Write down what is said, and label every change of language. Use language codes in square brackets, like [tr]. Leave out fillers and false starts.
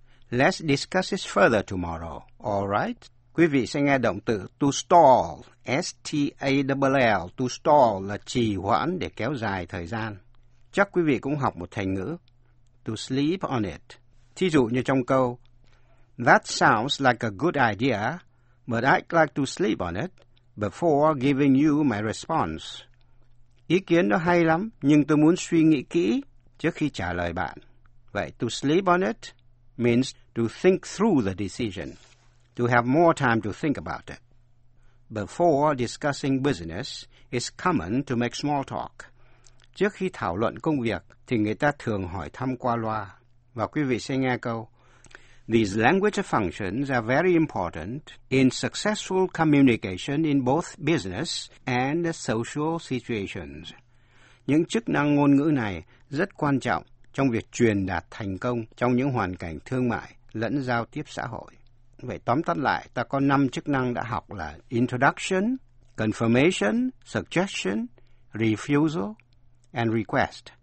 [en] Let's discuss it further tomorrow, all right? [vi] Quý vị sẽ nghe động từ to stall, S-T-A-L-L, to stall là trì hoãn để kéo dài thời gian. Chắc quý vị cũng học một thành ngữ, to sleep on it. Thí dụ như trong câu, [en] that sounds like a good idea, but I'd like to sleep on it before giving you my response. [vi] Ý kiến đó hay lắm, nhưng tôi muốn suy nghĩ kỹ trước khi trả lời bạn. [en] Vậy, to sleep on it means to think through the decision, to have more time to think about it. Before discussing business, it's common to make small talk. [vi] Trước khi thảo luận công việc, thì người ta thường hỏi thăm qua loa. Và quý vị sẽ nghe câu. [en] These language functions are very important in successful communication in both business and social situations. [vi] Những chức năng ngôn ngữ này rất quan trọng trong việc truyền đạt thành công trong những hoàn cảnh thương mại lẫn giao tiếp xã hội. Vậy tóm tắt lại, ta có 5 chức năng đã học là introduction, confirmation, suggestion, refusal, and request.